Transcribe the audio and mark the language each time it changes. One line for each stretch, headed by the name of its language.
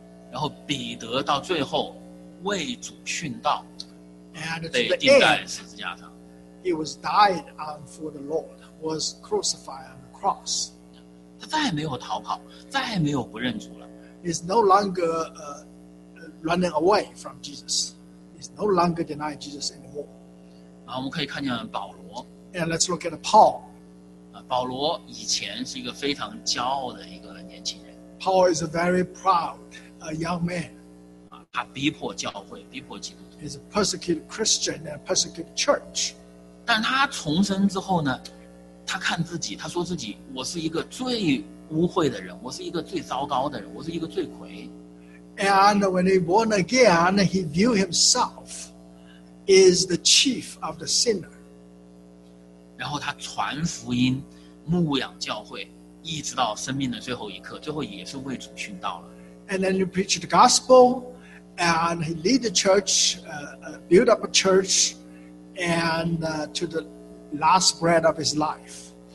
Chinese: 然后彼得到最后为主殉道，被钉在十字架上。
English: He was died on for the Lord, was crucified on the cross.
Chinese: 他再也没有逃跑，再也没有不认主了。
English: He's no longer running away from Jesus. No longer deny Jesus anymore.
Chinese: 我们可以看见保罗。
English: And let's look at Paul.
Chinese: 保罗以前是一个非常骄傲的一个年轻人。
English: Paul is a very proud young man.
Chinese: 他逼迫教会，逼迫基督徒。
English: He's a persecuted Christian and persecuted church.
Chinese: 但他重生之后呢，他看自己，他说自己，我是一个最污秽的人，我是一个最糟糕的人，我是一个罪魁。
English: And when he born again, he view himself is the chief of the sinner.
Chinese: 然后他传福音，牧养教会，一直到生命的最后一刻，最后也是为主殉道了。
English: And then he preached the gospel, and he lead the church, build up a church, and to the last breath of his life.